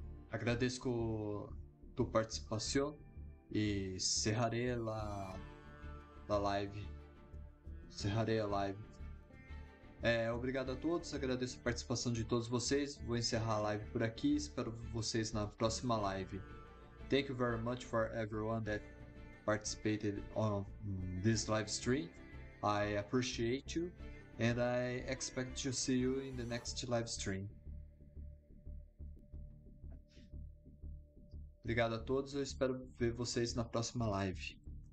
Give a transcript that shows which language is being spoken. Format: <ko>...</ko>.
<pt>Agradeço tua participação e cerrarei la live. Cerrarei a live. Obrigado a todos, agradeço a participação de todos vocês. Vou encerrar a live por aqui, espero vocês na próxima live.</pt> <en>Thank you very much for everyone that participated on this live stream. I appreciate you and I expect to see you in the next live stream.</en> <pt>Obrigado a todos, eu espero ver vocês na próxima live.</pt>